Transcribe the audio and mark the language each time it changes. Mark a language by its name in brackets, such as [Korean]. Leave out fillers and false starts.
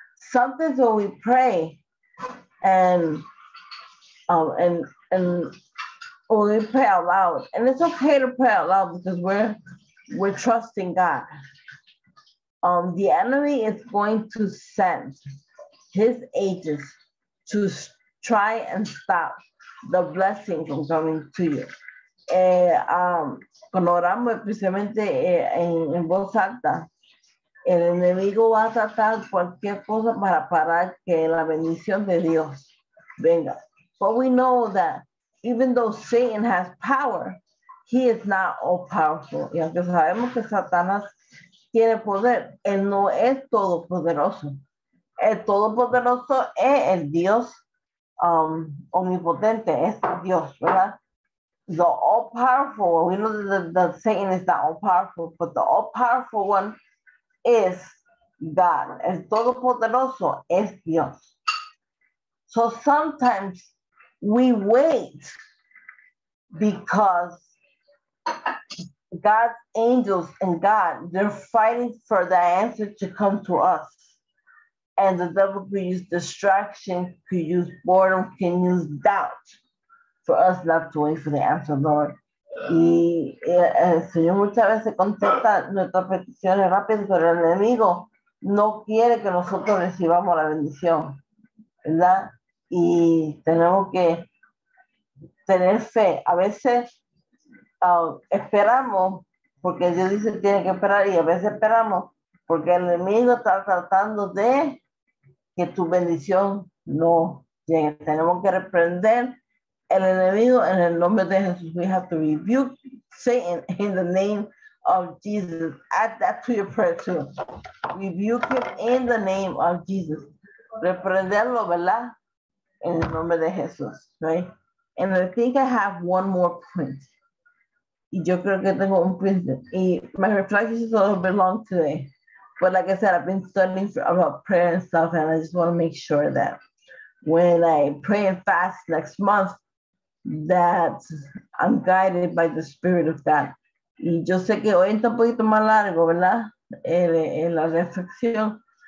[English] Sometimes when we pray, and when we pray out loud, and it's okay to pray out loud because we're trusting God. The enemy is going to send his agents to try and stop the blessing from coming to you. [Spanish] Cuando oramos, especialmente en voz alta, el enemigo va a tratar cualquier cosa para parar que la bendición de Dios venga. [English] But we know that even though Satan has power, he is not all powerful. [Spanish] Y aunque sabemos que Satanás tiene poder, él no es todopoderoso. El todopoderoso es el Dios omnipotente, es Dios, ¿verdad? [English] The all-powerful, we know that Satan is not all-powerful, but the all-powerful one is God. [Spanish] El todopoderoso es Dios. [English] So sometimes we wait because God's angels and God, they're fighting for the answer to come to us. And the devil could use distraction, could use boredom, can use doubt for us not to wait for the answer, Lord. [Spanish] Y el Señor muchas veces contesta nuestras peticiones rápido, pero el enemigo no quiere que nosotros recibamos la bendición, ¿verdad? Y tenemos que tener fe. A veces esperamos porque Dios dice que tiene que esperar, y a veces esperamos porque el enemigo está tratando de que tu bendición no llegue. Tenemos que reprender el enemigo en el nombre de Jesús. [English] We have to rebuke Satan in the name of Jesus. Add that to your prayer too. Rebuke him in the name of Jesus. [Spanish] Reprenderlo, ¿verdad? [English] In the name of Jesus, right? And I think I have one more print. [Spanish] Y yo creo que tengo un print. [English] Y my reflection is a little bit long today. But like I said, I've been studying about prayer and stuff, and I just want to make sure that when I pray and fast next month, that I'm guided by the Spirit of God. [Spanish] Y yo sé que hoy está un poquito más largo, ¿verdad? En la reflexión.